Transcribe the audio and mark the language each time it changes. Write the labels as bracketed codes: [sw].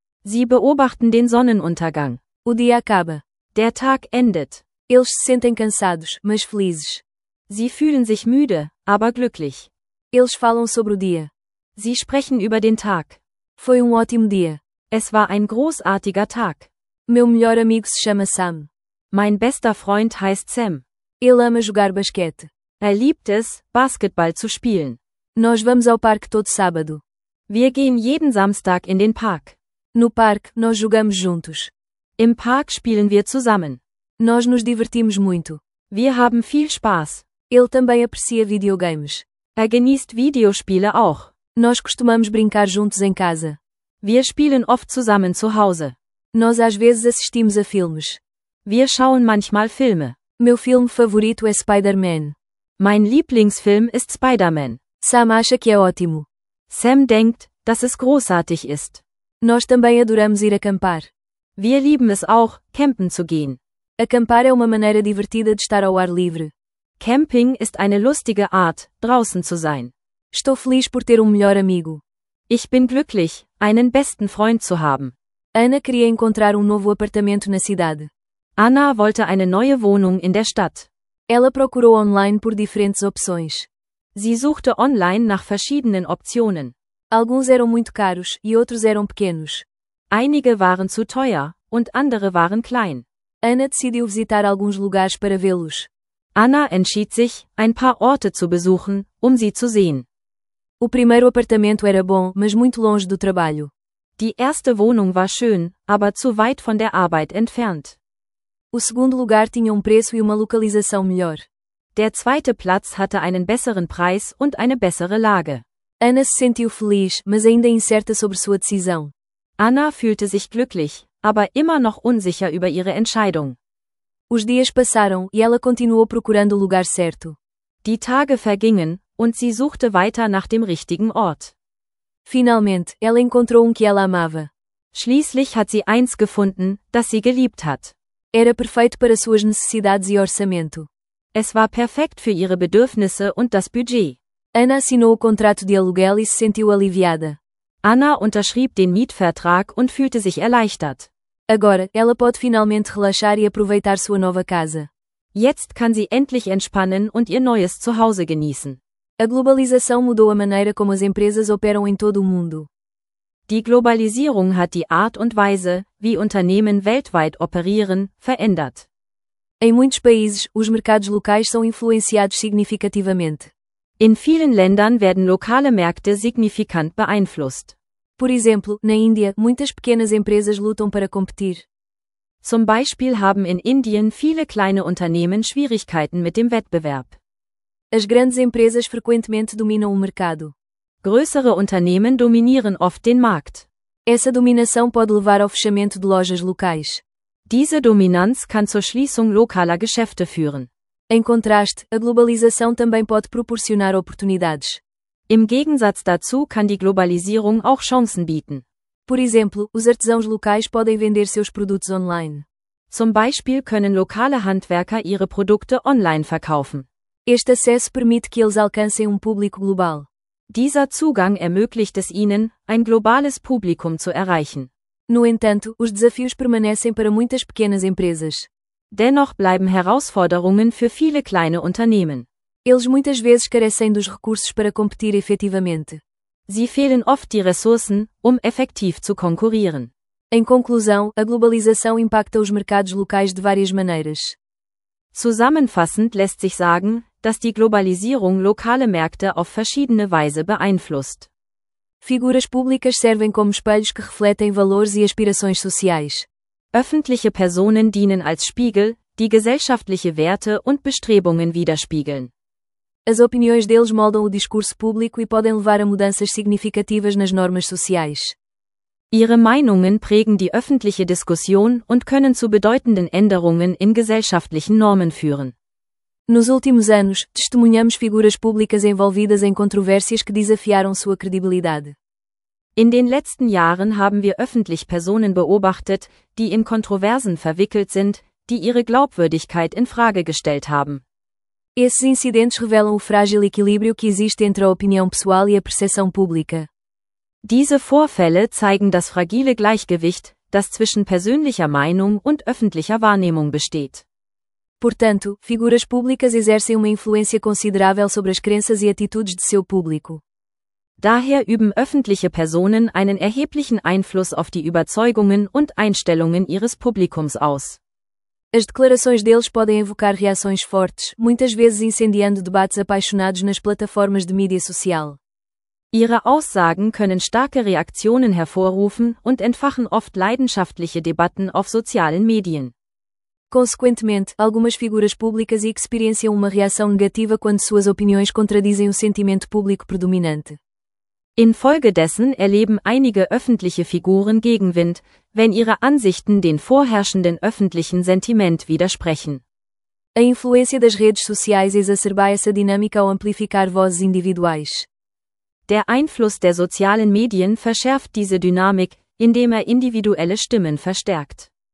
[de] Sie beobachten den Sonnenuntergang. [pt] O dia acaba. [de] Der Tag endet. [pt] Eles se sentem cansados, mas felizes. [de] Sie fühlen sich müde, aber glücklich. [pt] Eles falam sobre o dia. [de] Sie sprechen über den Tag. [pt] Foi ótimo dia. [de] Es war ein großartiger Tag. [pt] Meu melhor amigo se chama Sam. [de] Mein bester Freund heißt Sam. [pt] Ele ama jogar basquete. [de] Er liebt es, Basketball zu spielen. [pt] Nós vamos ao parque todo sábado. [de] Wir gehen jeden Samstag in den Park. [pt] No parque, nós jogamos juntos. [de] Im Park spielen wir zusammen. [pt] Nós nos divertimos muito. [de] Wir haben viel Spaß. [pt] Ele também aprecia videogames. [de] Er genießt Videospiele auch. [pt] Nós costumamos brincar juntos em casa. [de] Wir spielen oft zusammen zu Hause. [pt] Nós às vezes assistimos a filmes. [de] Wir schauen manchmal Filme. [pt] Meu filme favorito é Spider-Man. [de] Mein Lieblingsfilm ist Spider-Man. [pt] Sam acha que é ótimo. [de] Sam denkt, dass es großartig ist. [pt] Nós também adoramos ir acampar. [de] Wir lieben es auch, campen zu gehen. [pt] Acampar é uma maneira divertida de estar ao ar livre. [de] Camping ist eine lustige Art, draußen zu sein. [pt] Estou feliz por ter melhor amigo. [de] Ich bin glücklich, einen besten Freund zu haben. [pt] Ana queria encontrar novo apartamento na cidade. [de] Anna wollte eine neue Wohnung in der Stadt. [pt] Ela procurou online por diferentes opções. [de] Sie suchte online nach verschiedenen Optionen. [pt] Alguns eram muito caros e outros eram pequenos. [de] Einige waren zu teuer und andere waren klein. [pt] Anna decidiu visitar alguns lugares para vê-los. [de] Anna entschied sich, ein paar Orte zu besuchen, sie zu sehen. [pt] O primeiro apartamento era bom, mas muito longe do trabalho. [de] Die erste Wohnung war schön, aber zu weit von der Arbeit entfernt. [pt] O segundo lugar tinha preço e uma localização melhor. [de] Der zweite Platz hatte einen besseren Preis und eine bessere Lage. [pt] Anna se sentiu feliz, mas ainda incerta sobre sua decisão. [de] Anna fühlte sich glücklich, aber immer noch unsicher über ihre Entscheidung. [pt] Os dias passaram e ela continuou procurando o lugar certo. [de] Die Tage vergingen und sie suchte weiter nach dem richtigen Ort. [pt] Finalmente, ela encontrou que ela amava. [de] Schließlich hat sie eins gefunden, das sie geliebt hat. [pt] Era perfeito para suas necessidades e orçamento. [de] Es war perfekt für ihre Bedürfnisse und das Budget. [pt] Anna assinou o contrato de aluguel e se sentiu aliviada. [de] Anna unterschrieb den Mietvertrag und fühlte sich erleichtert. [pt] Agora, ela pode finalmente relaxar e aproveitar sua nova casa. [de] Jetzt kann sie endlich entspannen und ihr neues Zuhause genießen. [pt] A globalização mudou a maneira como as empresas operam em todo o mundo. [de] Die Globalisierung hat die Art und Weise, wie Unternehmen weltweit operieren, verändert. [pt] Em muitos países, os mercados locais são influenciados significativamente. [de] In vielen Ländern werden lokale Märkte signifikant beeinflusst. [pt] Por exemplo, na Índia, muitas pequenas empresas lutam para competir. [de] Zum Beispiel haben in Indien viele kleine Unternehmen Schwierigkeiten mit dem Wettbewerb. [pt] As grandes empresas frequentemente dominam o mercado. [de] Größere Unternehmen dominieren oft den Markt. [pt] Essa dominação pode levar ao fechamento de lojas locais. [de] Diese Dominanz kann zur Schließung lokaler Geschäfte führen. [pt] Em contraste, a globalização também pode proporcionar oportunidades. [de] Im Gegensatz dazu kann die Globalisierung auch Chancen bieten. [pt] Por exemplo, os artesãos locais podem vender seus produtos online. [de] Zum Beispiel können lokale Handwerker ihre Produkte online verkaufen. [pt] Este acesso permite que eles alcancem público global. [de] Dieser Zugang ermöglicht es ihnen, ein globales Publikum zu erreichen. [pt] No entanto, os desafios permanecem para muitas pequenas empresas. [de] Dennoch bleiben Herausforderungen für viele kleine Unternehmen. [pt] Eles muitas vezes carecem dos recursos para competir efetivamente. [de] Sie fehlen oft die Ressourcen, effektiv zu konkurrieren. [pt] Em conclusão, a globalização impacta os mercados locais de várias maneiras. [de] Zusammenfassend lässt sich sagen, dass die Globalisierung lokale Märkte auf verschiedene Weise beeinflusst. [pt] Figuras públicas servem como espelhos que refletem valores e aspirações sociais. [de] Öffentliche Personen dienen als Spiegel, die gesellschaftliche Werte und Bestrebungen widerspiegeln. [pt] As opiniões deles moldam o discurso público e podem levar a mudanças significativas nas normas sociais. [de] Ihre Meinungen prägen die öffentliche Diskussion und können zu bedeutenden Änderungen in gesellschaftlichen Normen führen. [pt] Nos últimos anos, testemunhamos figuras públicas envolvidas em controvérsias que desafiaram sua credibilidade. [de] In den letzten Jahren haben wir öffentlich Personen beobachtet, die in Kontroversen verwickelt sind, die ihre Glaubwürdigkeit in Frage gestellt haben. [pt] Esses incidentes revelam o frágil equilíbrio que existe entre a opinião pessoal e a percepção pública. [de] Diese Vorfälle zeigen das fragile Gleichgewicht, das zwischen persönlicher Meinung und öffentlicher Wahrnehmung besteht. [pt] Portanto, figuras públicas exercem uma influência considerável sobre as crenças e atitudes de seu público. [de] Daher üben öffentliche Personen einen erheblichen Einfluss auf die Überzeugungen und Einstellungen ihres Publikums aus. [pt] As declarações deles podem evocar reações fortes, muitas vezes incendiando debates apaixonados nas plataformas de mídia social. [de] Ihre Aussagen können starke Reaktionen hervorrufen und entfachen oft leidenschaftliche Debatten auf sozialen Medien. [pt] Consequentemente, algumas figuras públicas experienciam uma reação negativa quando suas opiniões contradizem o sentimento público predominante. [de] Infolgedessen erleben einige öffentliche Figuren Gegenwind, wenn ihre Ansichten den vorherrschenden öffentlichen Sentiment widersprechen. [pt] A influência das redes sociais exacerba essa dinâmica ao amplificar vozes individuais. [de] Der Einfluss der sozialen Medien verschärft diese Dynamik, indem er individuelle Stimmen verstärkt.